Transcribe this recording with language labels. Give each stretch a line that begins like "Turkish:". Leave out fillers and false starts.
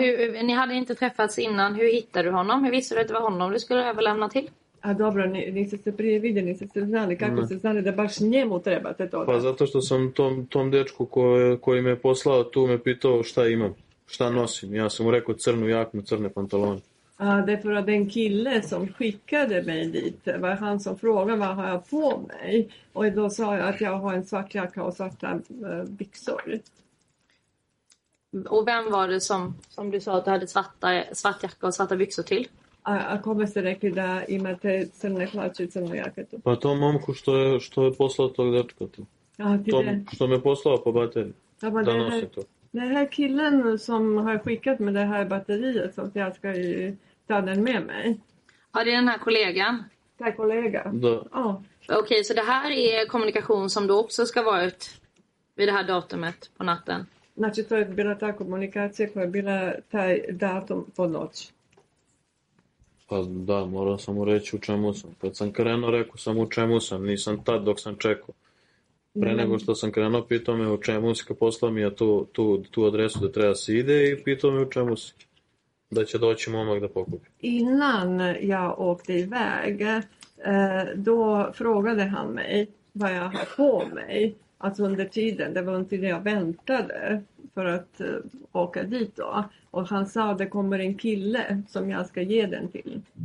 Swedish: Ni hade inte träffats innan. Hur hittade du honom? Hur visste du att det var honom du skulle överlämna till?
Croatian: A dobro, ni ste se prijevidjeli, ni ste se znali. Kako ste znali da baš njemu trebate to?
Serbian: Pa zato što sam tom dečku koji me poslao tu me pitao šta imam, šta nosim. Ja sam mu rekao crnu jakmu, crne pantalone.
Swedish: A det var den kille som skickade mig dit. Det var han som frågade vad har jag på mig. Och då sa jag att jag har en svart jacka och svarta byxor. Och vem var det som du sa att du hade svart jacka och svarta byxor till?
Croatian: A kome ste rekli da imate crne hlače i crnu jaketu?
Serbian: Pa to momku što je poslao tog dečka tu. Što me poslao po bateriju. Da nosi to.
Swedish: Den här killen som har skickat med det här batteriet så att jag ska ju ta den med mig. Ja, det är den här kollegan. Den här kollegan. Ja. Okej, så det här är kommunikation som då också ska vara ut vid det här datumet på natten.
Croatian: Znači to je bila ta komunikacija koja je bila taj datum po noć.
Serbian: Pa da, moram samo reći u čemu sam. Kad sam krenuo, rekao sam u čemu sam. Nisam tad dok sam čekao. Pre nego što sam krenuo, pitao me u čemu si, poslao mi je tu adresu da treba se ide i pitao me u čemu si, da će doći momak da pokupi.
Swedish: Innan jag åkte iväg, då frågade han mig vad jag har på mig. Alltså under tiden, det var inte det jag väntade för att åka dit då. Och han sa, det kommer en kille som jag ska ge den till.